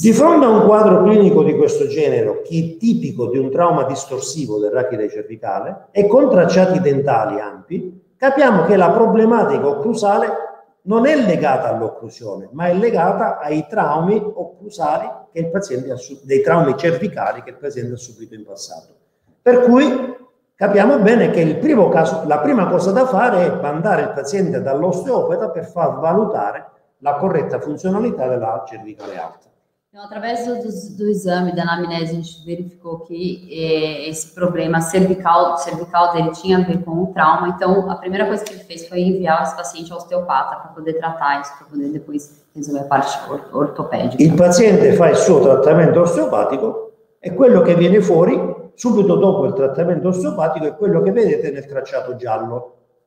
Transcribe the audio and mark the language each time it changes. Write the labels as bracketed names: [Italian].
[Italian] Di fronte a un quadro clinico di questo genere, che è tipico di un trauma distorsivo del rachide cervicale, e con tracciati dentali ampi, capiamo che la problematica occlusale non è legata all'occlusione, ma è legata ai traumi occlusali che il paziente ha subito, dei traumi cervicali che il paziente ha subito in passato. Per cui capiamo bene che la prima cosa da fare è mandare il paziente dall'osteopata per far valutare la corretta funzionalità della cervicale alta. [Portuguese] Então, através do exame da anamnese, a gente verificou que esse problema cervical dele tinha a ver com o trauma. Então, a primeira coisa que ele fez foi enviar esse paciente ao osteopata para poder tratar isso, para poder depois resolver a parte ortopédica. [Italian] Il paziente fa il suo trattamento osteopatico e quello che viene fuori subito dopo il trattamento osteopatico è quello che vedete nel tracciato giallo.